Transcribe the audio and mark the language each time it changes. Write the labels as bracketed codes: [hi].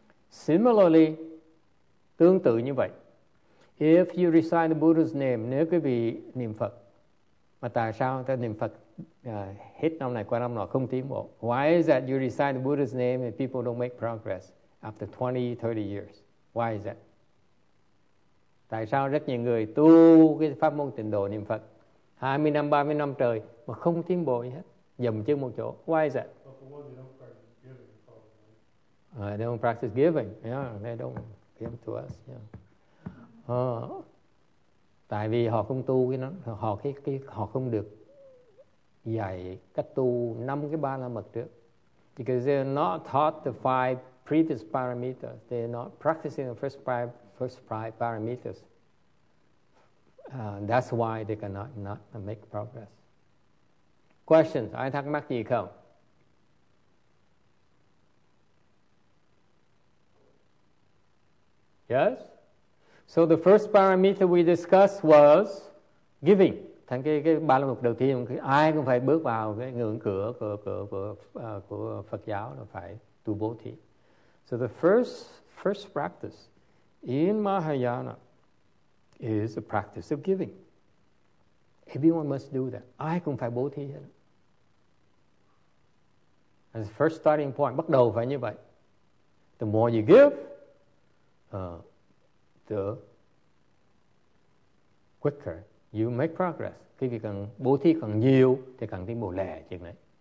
[vi] Similarly, tương tự như vậy, [en] if you recite the Buddha's name, [vi] nếu quý vị niệm Phật, mà tại sao ta niệm Phật hết năm này qua năm nọ không tiến bộ? [en] Why is that you recite the Buddha's name and people don't make progress after 20, 30 years? Why is that? [vi] Tại sao rất nhiều người tu cái pháp môn tịnh độ niệm Phật 20 năm, 30 năm trời mà không tiến bộ hết, dầm chân một chỗ? [en] Why is that? But for one, they don't practice giving. They don't give to us. [vi] Tại vì họ không tu cái nó, họ không được dạy cách tu năm cái ba la mật trước. [en] Because they're not taught the five previous parameters. They're not practicing the first five parameters. That's why they cannot not make progress. Questions? [vi] Ai thắc mắc gì không? [en] Yes? So the first parameter we discussed was giving. [vi] Thành cái ba la mật đầu tiên, ai cũng phải bước vào cái ngưỡng cửa của Phật giáo là phải tu bố thí. [en] So the first practice in Mahayana is the practice of giving. Everyone must do that. [vi] Ai cũng phải bố thí hết. [en] As the first starting point, [vi] bắt đầu phải như vậy. [en] The more you give, the quicker you make progress. [vi] Cái việc càng bố thí càng nhiều thì càng tiến bộ lẹ chuyện này.